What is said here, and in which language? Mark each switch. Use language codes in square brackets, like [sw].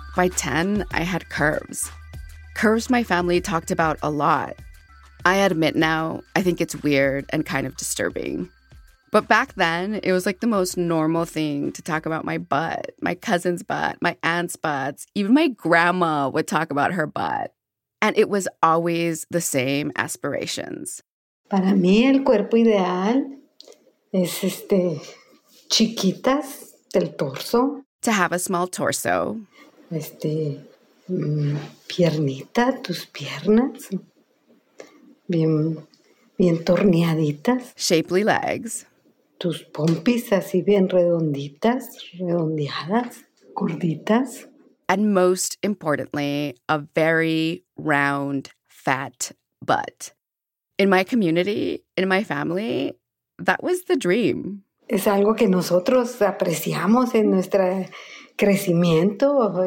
[en] By 10, I had curves. Curves my family talked about a lot. I admit now, I think it's weird and kind of disturbing. But back then, it was like the most normal thing to talk about my butt, my cousin's butt, my aunt's butts. Even my grandma would talk about her butt. And it was always the same aspirations. [es] Para mí, el cuerpo ideal es este, chiquitas del torso. [en] To have a small torso. [es] Este, piernita, tus piernas, bien, bien torneaditas. [en] Shapely legs. [es] Tus pompis así bien redonditas, redondeadas, gorditas. [en] And most importantly, a very round, fat butt. In my community, in my family, that was the dream. [es] Es algo que nosotros apreciamos en nuestro crecimiento.